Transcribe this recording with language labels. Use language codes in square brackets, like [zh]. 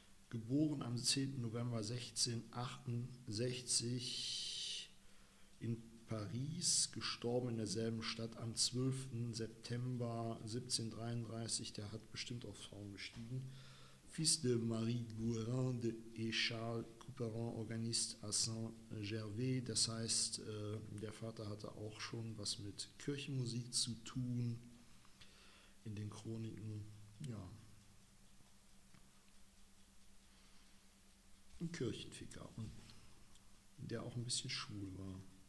[de] Geboren am 10. November 1668 in Paris, gestorben in derselben Stadt am 12. September 1733. Der hat bestimmt auf Frauen gestiegen. [fr] Fils de Marie Gourin de et Charles Couperin, Organist à Saint-Gervais. [de] Das heißt, der Vater hatte auch schon was mit Kirchenmusik zu tun in den Chroniken. Ja. Ein Kirchenficker, der auch ein bisschen schwul war.